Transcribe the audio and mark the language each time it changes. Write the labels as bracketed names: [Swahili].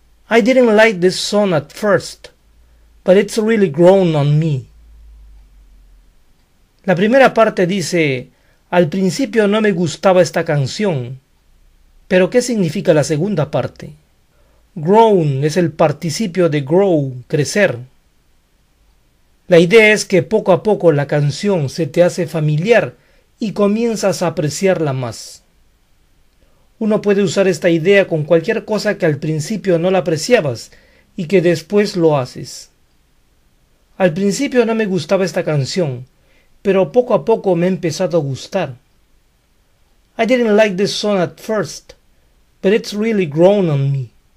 [English] I didn't like this song at first, but it's really grown on me. [Spanish] La primera parte dice, al principio no me gustaba esta canción. Pero ¿qué significa la segunda parte? Grown es el participio de grow, crecer. La idea es que poco a poco la canción se te hace familiar y comienzas a apreciarla más. Uno puede usar esta idea con cualquier cosa que al principio no la apreciabas y que después lo haces. Al principio no me gustaba esta canción, pero poco a poco me ha empezado a gustar. [English] I didn't like this song at first, but it's really grown on me.